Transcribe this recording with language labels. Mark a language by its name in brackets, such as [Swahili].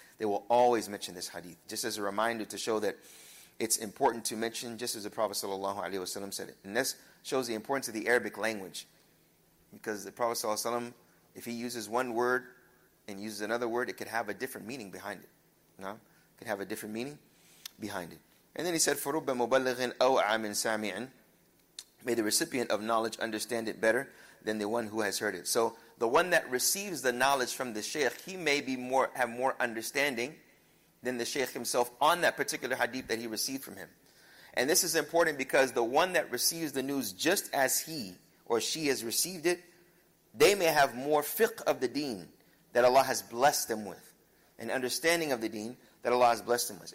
[English] They will always mention this hadith. Just as a reminder to show that it's important to mention, just as the Prophet sallallahu alayhi wa sallam said it. And this shows the importance of the Arabic language. Because the Prophet sallallahu alayhi wa sallam, if he uses one word and uses another word, it could have a different meaning behind it. No? It could have a different meaning behind it. And then he said, [Arabic] فَرُبَّ مُبَلَّغٍ أَوْعَى مِنْ سَامِعٍ. [English] May the recipient of knowledge understand it better than the one who has heard it. So the one that receives the knowledge from the Shaykh, he may be more have more understanding than the Shaykh himself on that particular hadith that he received from him. And this is important because the one that receives the news just as he or she has received it, they may have more fiqh of the deen that Allah has blessed them with, and understanding of the deen that Allah has blessed them with.